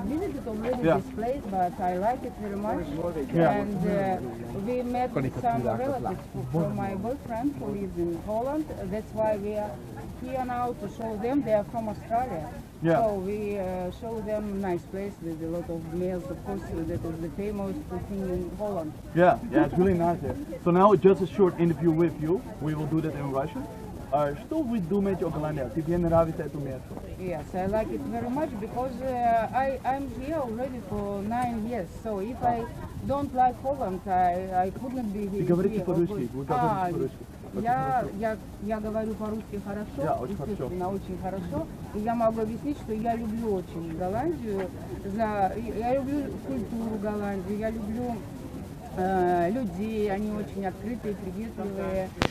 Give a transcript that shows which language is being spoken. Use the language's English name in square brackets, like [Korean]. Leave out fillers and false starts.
[English] visited already this place, but I like it very much. And we met some relatives from my boyfriend who lives in Poland. That's why we are here now to show them. They are from Australia. Yeah. So we show them nice place with a lot of males, of course, that is the famous thing in Holland. Yeah, it's really nice there. So now just a short interview with you. We will do that in Russian. [Russian] Что вы думаете о Голландии? Тебе нравится это место? [English] Yes, I like it very much because I'm here already for 9 years. So if I don't like Holland, I couldn't be here. [Russian] Ты говоришь по-русски? Вы говорите по-русски? Я говорю по-русски хорошо, естественно, очень хорошо. И я могу объяснить, что я люблю очень Голландию. Я люблю культуру Голландии, я люблю людей, они очень открытые, приветливые.